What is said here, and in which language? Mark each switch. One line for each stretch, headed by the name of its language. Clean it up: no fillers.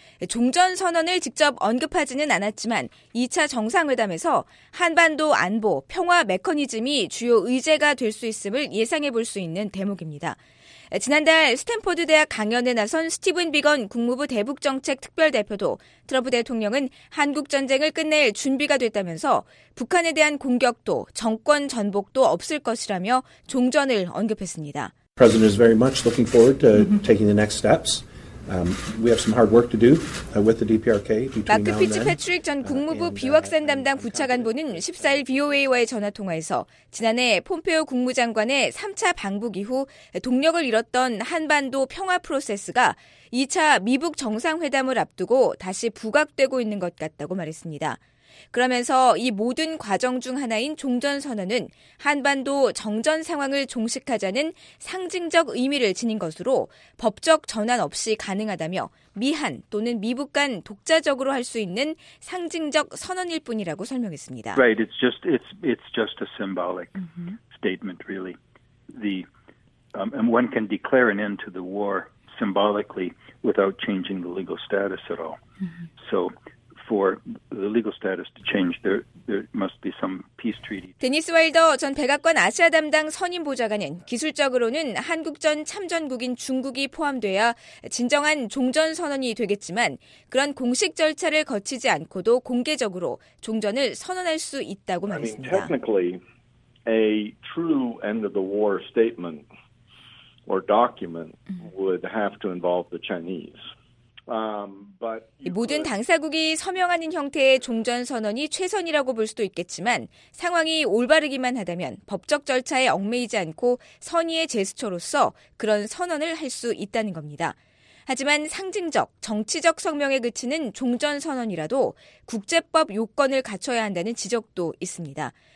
Korean: 종전선언을 직접 언급하지는 않았지만 2차 정상회담에서 한반도 안보, 평화 메커니즘이 주요 의제가 될 수 있음을 예상해 볼 수 있는 대목입니다. 지난달 스탠퍼드 대학 강연에 나선 스티븐 비건 국무부 대북정책특별대표도 트럼프 대통령은 한국전쟁을 끝낼 준비가 됐다면서 북한에 대한 공격도 정권 전복도 없을 것이라며 종전을 언급했습니다.
English: The president is very much looking forward to taking the next steps. We have some hard work to do with the DPRK.
Korean: 마크 피츠패트릭 전 국무부 비확산 담당 부차관보는 14일 VOA와의 전화 통화에서 지난해 폼페이오 국무장관의 3차 방북 이후 동력을 잃었던 한반도 평화 프로세스가 2차 미북 정상회담을 앞두고 다시 부각되고 있는 것 같다고 말했습니다. 그러면서 이 모든 과정 중 하나인 종전선언은 한반도 정전 상황을 종식하자는 상징적 의미를 지닌 것으로 법적 전환 없이 가능하다며 미한 또는 미북 간 독자적으로 할 수 있는 상징적 선언일 뿐이라고 설명했습니다.
English: Right, it's just a symbolic statement, really. One can declare an end to the war symbolically without changing the legal status at all. So for the legal status to change, there must be some peace treaty.
Korean: 데니스 와일더 전 백악관 아시아 담당 선임 보좌관은 기술적으로는 한국전 참전국인 중국이 포함돼야 진정한 종전 선언이 되겠지만 그런 공식 절차를 거치지 않고도 공개적으로 종전을 선언할 수 있다고 말했습니다.
English: I mean, technically, a true end of the war statement or document would have to involve the Chinese.
Korean: 모든 당사국이 서명하는 형태의 종전선언이 최선이라고 볼 수도 있겠지만 상황이 올바르기만 하다면 법적 절차에 얽매이지 않고 선의의 제스처로서 그런 선언을 할 수 있다는 겁니다. 하지만 상징적, 정치적 성명에 그치는 종전선언이라도 국제법 요건을 갖춰야 한다는 지적도 있습니다.